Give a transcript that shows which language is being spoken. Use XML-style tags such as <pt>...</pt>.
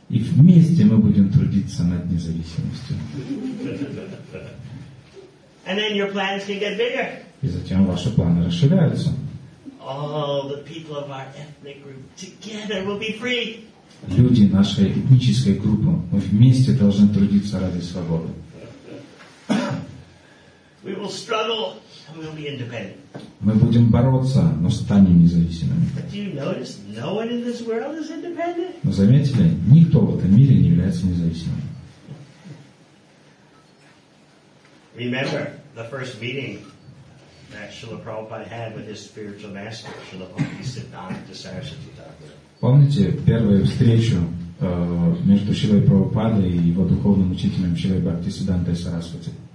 <ru>И вместе мы будем трудиться над независимостью.</ru> <en>And then your plans can get bigger.</en> <ru>И затем ваши планы расширяются.</ru> <en>All the people of our ethnic group together will be free.</en> <ru>Люди нашей этнической группы, мы вместе должны трудиться ради свободы.</ru> <en>We will struggle. And we'll be independent.</en> <ru>Мы будем бороться, но станем независимыми.</ru> <en>But do you notice no one in this world is independent?</en> <ru>Но заметили, никто в этом мире не является независимым.</ru> <en>Remember the first meeting that Srila Prabhupada had with his spiritual master, Srila Bhaktisiddhanta Saraswati Thakura.</en> <ru>Помните первую встречу между Шрилой Прабхупадой и его духовным учителем Шрилой Бхактисиддхантой Сарасвати?</ru>